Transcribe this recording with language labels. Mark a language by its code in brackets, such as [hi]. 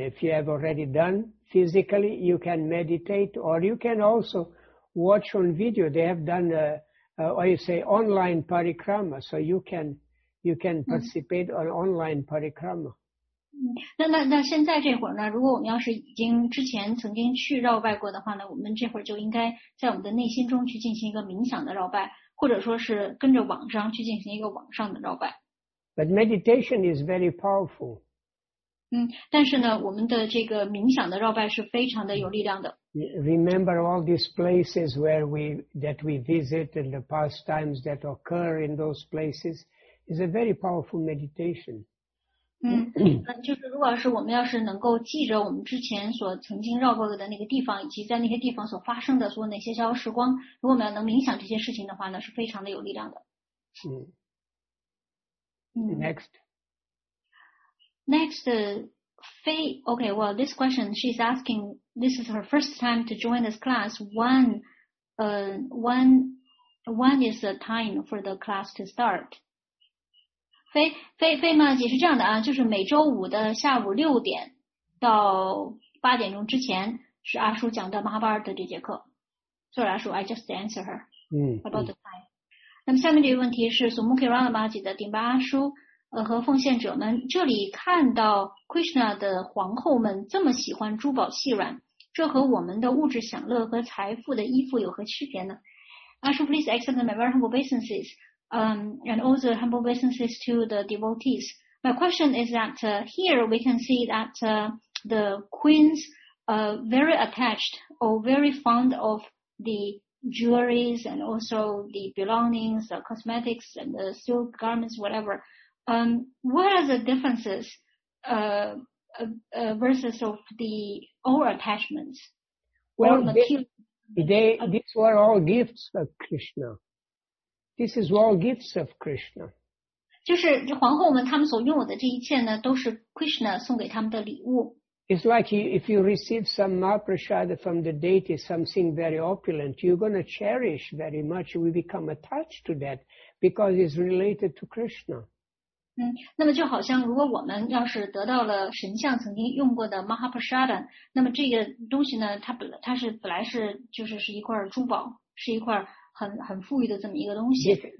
[en] If you have already done physically, you can meditate or you can also watch on video. They have done online parikram, so you can participate on online parikrama. [zh] 那现在这会儿呢，如果我们要是已经之前曾经去绕拜过的话呢，我们这会儿就应该在我们的内心中去进行一个冥想的绕拜，或者说是跟着网上去进行一个网上的绕拜。 [en] But meditation is very powerful. [zh] 但是呢，我们的这个冥想的绕拜是非常的有力量的。 [en] Remember all these places where we visit and the pastimes that occur in those places. Is a very powerful meditation. [zh] 就是如果是我们要是能够记着我们之前所曾经绕过的那个地方，以及在那些地方所发生的所有那些消时光，如果我们要能冥想这些事情的话呢，是非常的有力量的。 [en] Next, Faye. Okay, well, this question she's asking. This is her first time to join this class. When is the time for the class to start? [zh] 非嘛也是这样的啊，就是每周五的下午六点到八点钟之前是阿叔讲的马哈巴尔的这节课。 [en] Sorry, 阿叔 I just answer her. About the time. [zh] 那么下面这个问题是苏穆克拉玛吉的顶巴阿叔和奉献者们，这里看到 Krishna 的皇后们这么喜欢珠宝细软，这和我们的物质享乐和财富的衣服有何区别呢？ [en] 阿叔 please accept my very humble obeisances. And all the humble businesses to the devotees. My question is that here we can see that the queens are very attached or very fond of the jewelries and also the belongings, the cosmetics and the silk garments, whatever. What are the differences versus of the all attachments? Well, these were all gifts of Krishna. This is all gifts of Krishna. [zh] 就是皇后们他们所拥有的这一切呢都是 Krishna 送给他们的礼物。 [en] It's like if you receive some maprasada from the deity, something very opulent, you're going to cherish very much. We become attached to that because it's related to Krishna. [zh] 那么就好像如果我们要是得到了神像曾经用过的 maprasada, 那么这个东西呢 它是本来是就是是一块珠宝，是一块很富裕的这么一个东西。